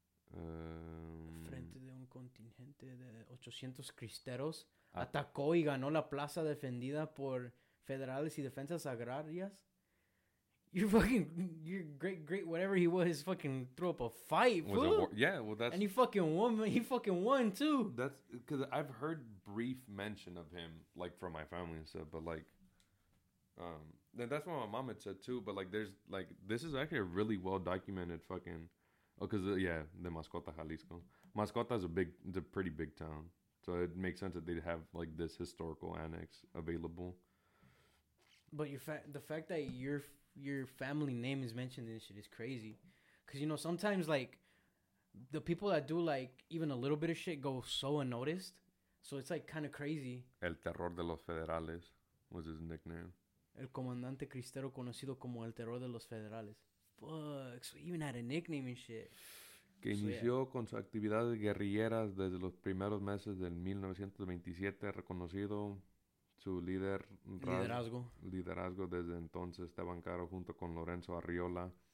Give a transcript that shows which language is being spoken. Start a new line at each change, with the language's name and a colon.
Spanish: Frente de un contingente de 800 cristeros atacó y ganó la plaza defendida por federales y defensas agrarias.
English: Your great whatever he was fucking threw up a fight. Was yeah, well that's and he fucking won too. That's because I've heard brief mention of him like from my family and stuff, but like then that's what my mom had said too. But like there's like this is actually a really well documented fucking. Oh, because, yeah, the Mascota, Jalisco. Mascota is it's a pretty big town. So it makes sense that they'd have, like, this historical annex available. But the fact that your family name is mentioned in this shit is crazy. Because, you know, sometimes, like, the people that do, like, even a little bit of shit go so unnoticed. So it's, like, kind of crazy. El Terror de los Federales was his nickname.
Spanish: El Comandante Cristero, conocido como El Terror de los Federales.
English: Fuck, so he even had a nickname and shit.
Spanish: Que so, inició yeah. Con sus actividades guerrilleras desde los primeros meses del 1927, reconocido su liderazgo desde entonces, Esteban Caro junto con Lorenzo Arriola.